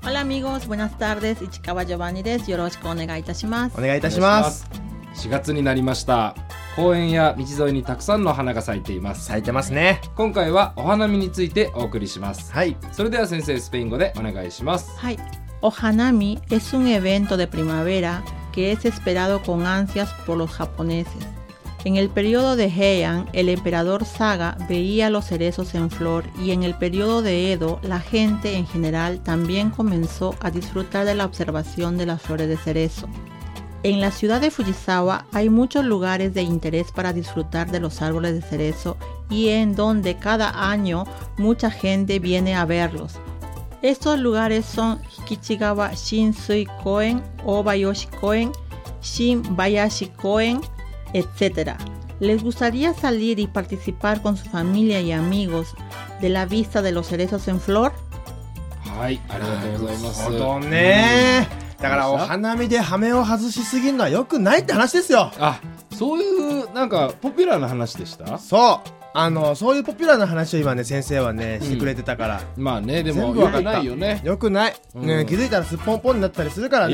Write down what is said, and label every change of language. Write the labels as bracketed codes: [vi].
[es] ホラミゴスブナスタール [ja] です。市川ジョバンニです。よろしくお願いいたします。お願いいたします。 4月になりました。公園や道沿いにたくさんの花が咲いています。咲いてますね。今回はお花見についてお送りします。はい、それでは先生スペイン語でお願いします。はい、 [es] お花見 es un evento de primavera que es esperado con ansias por los japoneses. En el periodo de Heian, el emperador Saga veía los cerezos en flor y en el periodo de Edo, la gente en general también comenzó a disfrutar de la observación de las flores de cerezo. En la ciudad de Fujisawa hay muchos lugares de interés para disfrutar de los árboles de cerezo y en donde cada año mucha gente viene a verlos. Estos lugares son Hikichigawa Shinsui Koen, Obayoshi Koen, Shinbayashi Koen, etc. ¿Les gustaría salir y participar con su familia y amigos de la vista de los cerezos en flor? ¡Ay, gracias! ¡Por favor, ne! [ja] だからお花見で羽を外しすぎるのは良くないって話ですよ。あ、そういうなんかポピュラーな話でした？そう。あのそういうポピュラーな話を今ね先生はねしてくれてたから、うん、まあねでも良くないよね。良くない、ね、気づいたらすっぽんぽんになったりするからね。